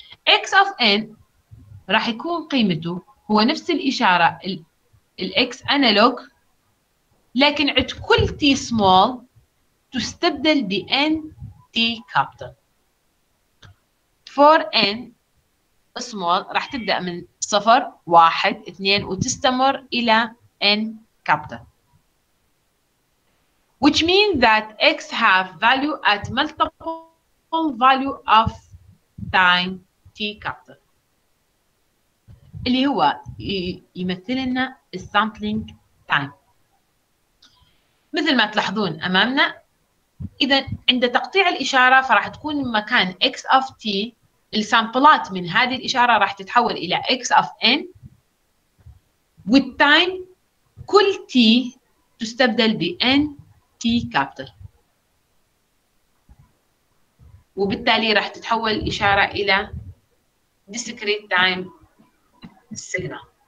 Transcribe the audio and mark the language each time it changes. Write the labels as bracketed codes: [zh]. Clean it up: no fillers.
[ar] X of N راح يكون قيمته هو نفس الإشارة الـ X أنالوج، لكن عند كل T small تستبدل ب N T capital. [en] For n small [ar] راح تبدأ من 0 1 2 وتستمر إلى n capital. [en] Which means that x have value at multiple value of time t capital. [ar] اللي هو يمثل لنا sampling time. مثل ما تلاحظون أمامنا، إذا عند تقطيع الإشارة فراح تكون مكان x of t السامبلات من هذه الإشارة راح تتحول إلى X of N، والتايم كل T تستبدل ب N T capital، وبالتالي راح تتحول الإشارة إلى Discrete Time Signal.